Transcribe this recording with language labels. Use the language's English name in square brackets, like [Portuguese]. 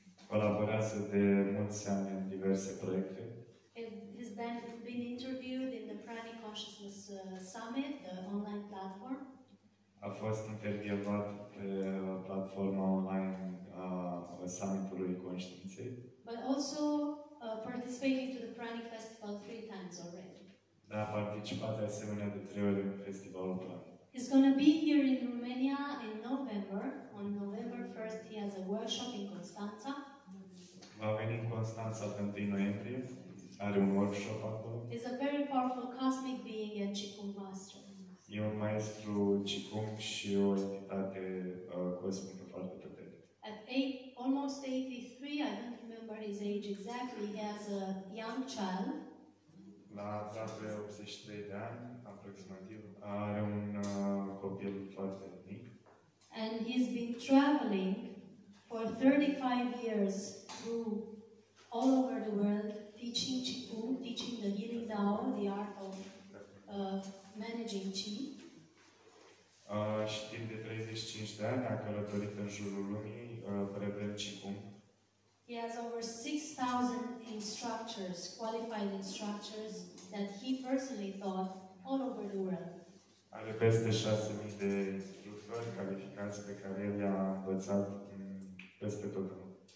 [Romanian] Colaborează de mulți ani în diverse proiecte. [English] He's been interviewed in the Pranic Consciousness Summit, the online platform. [Romanian] A fost intervievat pe platforma online a summitului conștiinței. [English] But also participating to the Pranic Festival 3 times already. [Romanian] Da, a participat asemenea de 3 ori în festivalul Pranic. [English] He's going to be here in Romania in November. On November 1st he has a workshop in Constanța. [Romanian] Va veni în Constanța pe 1 noiembrie. Are un workshop acolo. [English] He's a very powerful cosmic being and Qigong master. [Romanian] E un maestru Qigong și o entitate cosmică foarte puternică. [English] At almost 83, I don't remember his age exactly, he has a young child. [Romanian] La aproape 83 de ani, aproximativ, are un copil foarte mic. [English] And he's been traveling for 35 years through all over the world, teaching Qigong, teaching the healing Dao, the art of managing qi. [Romanian] Și timp de 35 de ani a călătorit în jurul lumii predând Qigong. [English] He has over 6,000 instructors, qualified instructors that he personally taught all over the world. [Romanian] Are peste 6,000 de instructori calificați pe care el i-a învățat peste tot lumea.